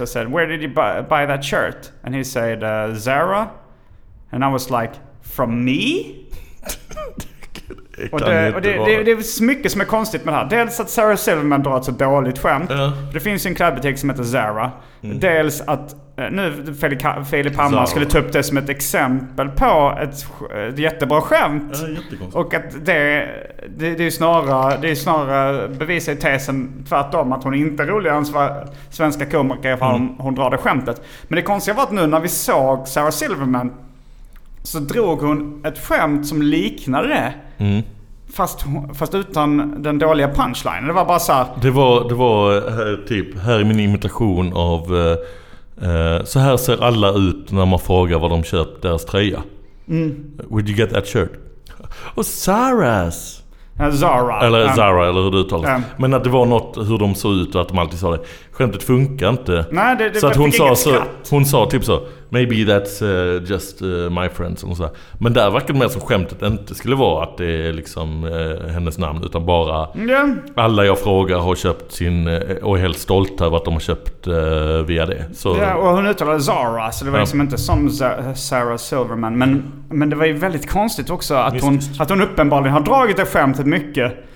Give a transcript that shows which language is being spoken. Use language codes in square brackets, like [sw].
[en] I said, where did you buy that shirt? And he said, Zara. And I was like, from me? [sv] Och det är mycket som är konstigt med det här. Dels att Sarah Silverman drar ett så dåligt skämt. Ja. Det finns ju en klädbutik som heter Zara. Mm. Dels att nu Filip Hammar skulle ta upp det som ett exempel på ett jättebra skämt. Ja, och att det är snarare bevisar i tesen tvärtom, att hon inte är rolig än svenska komiker ifall hon drar det skämtet. Men det konstiga var att nu när vi såg Sarah Silverman så drog hon ett skämt som liknade det. Mm. Fast utan den dåliga punchline. Det var bara så här, Det var här är min imitation av så här ser alla ut när man frågar vad de köpt deras tröja. Mm. [en] Would you get that shirt? [sv] Och Zara's. Zara. Eller Zara, eller hur du uttalar. Men att det var något hur de såg ut och att de alltid sa det. Skämtet funkar inte. Nej, det så att hon sa typ så, [en] maybe that's just my friend. [sv] Så hon sa. Men där verkar det mer som skämtet inte skulle vara att det är liksom hennes namn, utan bara alla jag frågar har köpt sin och är helt stolt över att de har köpt via det. Så. Ja, och hon uttalade Zara, så det var liksom inte som Sarah Silverman. Men det var ju väldigt konstigt också att hon uppenbarligen har dragit det skämtet mycket.